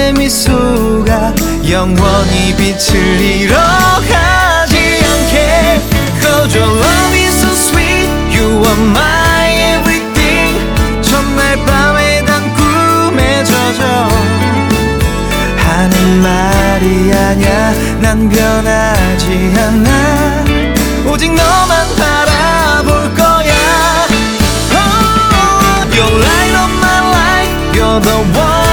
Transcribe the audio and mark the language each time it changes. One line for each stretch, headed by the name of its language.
Korean: 미소가 영원히 빛을 잃어가지 않게.
English: 'Cause your love is so sweet, you are my everything.
Korean: 첫날 밤에 단 꿈에 젖어 하는 말이 아냐. 난 변하지 않아, 오직 너만 바라볼 거야.
English: Oh, your light of my life, you're the one.